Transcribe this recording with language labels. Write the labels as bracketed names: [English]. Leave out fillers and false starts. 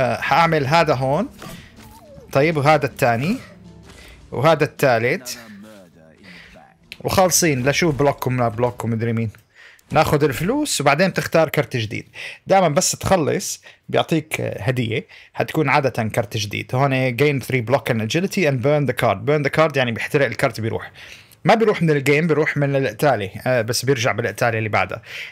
[Arabic] حاعمل هذا هون، طيب وهذا الثاني وهذا الثالث وخالصين. لشوف بلوككم ولا بلوككم مدري مين. ناخذ الفلوس وبعدين تختار كرت جديد. دائما بس تخلص بيعطيك هديه، حتكون عاده كرت جديد. [English] هون gain 3 block and agility and burn the card. burn the card [Arabic] يعني بيحترق الكرت، بيروح ما بيروح من الجيم، بيروح من التالي، بس بيرجع بالتالي اللي بعده.